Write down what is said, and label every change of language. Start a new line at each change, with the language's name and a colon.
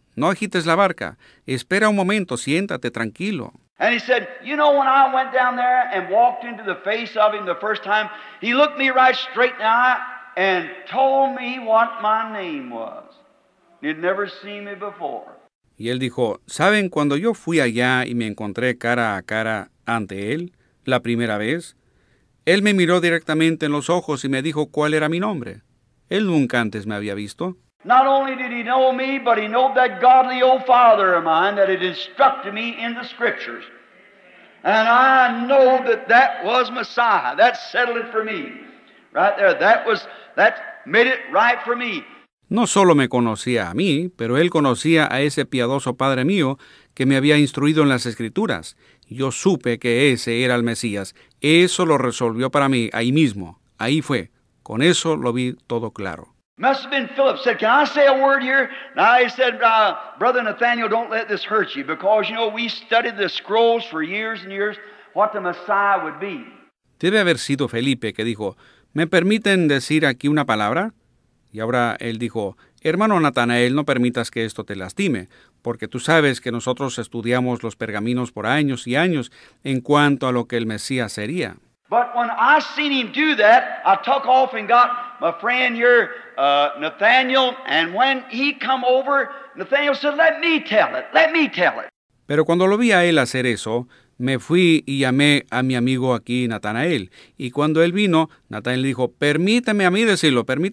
Spanish: No agites la barca. Espera un momento. Siéntate tranquilo.
English: And he said, you know, when I went down there and walked into the face of him the first time, he looked me right straight in the eye and told me what my name was. He'd never seen me before.
Spanish: Y él dijo, ¿saben? Cuando yo fui allá y me encontré cara a cara ante él la primera vez, él me miró directamente en los ojos y me dijo cuál era mi nombre. Él nunca antes me había visto.
English: Not only did he know me, but he knew that godly old father of mine that had instructed me in the scriptures. And I know that that was Messiah. That settled it for me. Right there, that made it right for me.
Spanish: No solo me conocía a mí, pero él conocía a ese piadoso padre mío que me había instruido en las Escrituras. Yo supe que ese era el Mesías. Eso lo resolvió para mí, ahí mismo. Ahí fue. Con eso lo vi todo claro.
English: Must have been Philip said, can I say a word here? And I said, Brother Nathaniel, don't let this hurt you, because, you know, we studied the scrolls for years and years, what the Messiah would be.
Spanish: Debe haber sido Felipe que dijo, ¿me permiten decir aquí una palabra? Y ahora él dijo, hermano Natanael, no permitas que esto te lastime, porque tú sabes que nosotros estudiamos los pergaminos por años y años en cuanto a lo que el Mesías sería.
English: But when I seen him do that, I took off and got my friend here, Nathaniel, and when he come over, Nathaniel said, let me tell it.
Spanish: Pero cuando lo vi a él hacer eso, me fui y llamé a mi amigo aquí, Natanael. Y cuando él vino, Natanael dijo, permíteme a mí decirlo.